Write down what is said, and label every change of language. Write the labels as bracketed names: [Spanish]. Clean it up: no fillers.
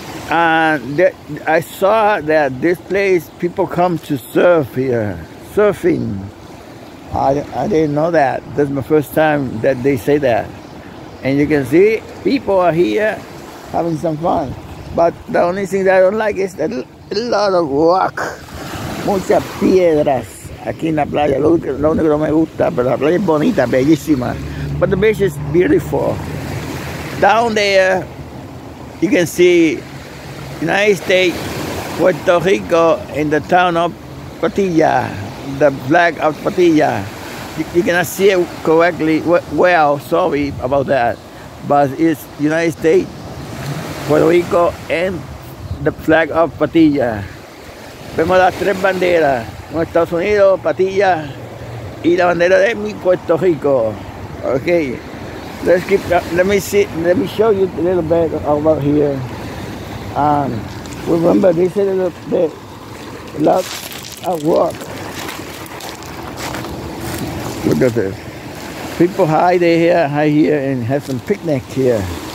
[English] I saw that this place, people come to surf here, surfing. I didn't know that. This is my first time that they say that. And you can see people are here having some fun. But the only thing that I don't like is that a lot of rock. [Spanish] Muchas piedras aquí en la playa. Lo único que no me gusta, pero la playa es bonita, bellísima. [English] But the beach is beautiful. Down there, you can see United States, Puerto Rico, in the town of Patilla, the flag of Patilla. You cannot see it correctly, well, sorry about that. But it's United States, Puerto Rico, and the flag of Patilla. [Spanish] Vemos las tres banderas, Estados Unidos, Patilla, y la bandera de mi Puerto Rico. [English] Okay, let's keep, let me show you a little bit about here. Remember, this is a little bit, a lot of work. Look at this. People hide here and have some picnic here.